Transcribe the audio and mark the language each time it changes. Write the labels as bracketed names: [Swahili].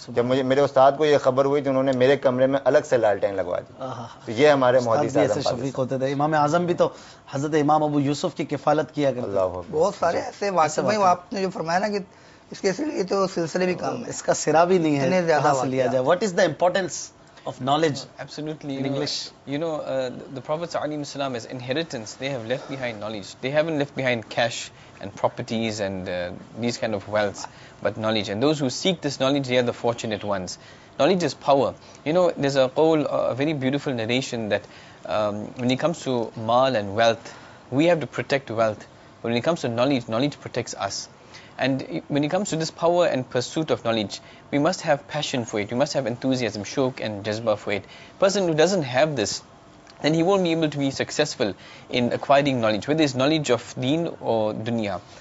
[Urdu] جب میرے استاد کو یہ خبر ہوئی تو انہوں نے میرے کمرے میں الگ سے لالٹین لگوا دی. یہ ہمارے محدث اعظم شفیق ہوتے تھے. امام اعظم بھی تو حضرت امام ابو یوسف کی کفالت کیا کرتے تھے. بہت سارے ایسے بھائی, آپ نے جو فرمایا نا کہ اس کے سلسلے, یہ تو سلسلے بھی کام ہے, اس کا سرا بھی نہیں ہے انہیں زیادہ حاصل لیا جائے. [English] What is the importance of knowledge absolutely in English? You know the prophets علیہم السلام is inheritance, they have left behind knowledge, they haven't left behind cash and properties and these kind of wealth, but knowledge, and those who seek this knowledge they are the fortunate ones. Knowledge is power. You know there is a قول, a very beautiful narration, that when it comes to مال and wealth we have to protect wealth. But when it comes to knowledge, knowledge protects us. And when it comes to this power and pursuit of knowledge, we must have passion for it. We must have enthusiasm, shauq and jazba for it. Person who doesn't have this, then he won't be able to be successful in acquiring knowledge, whether it's knowledge of deen or dunya.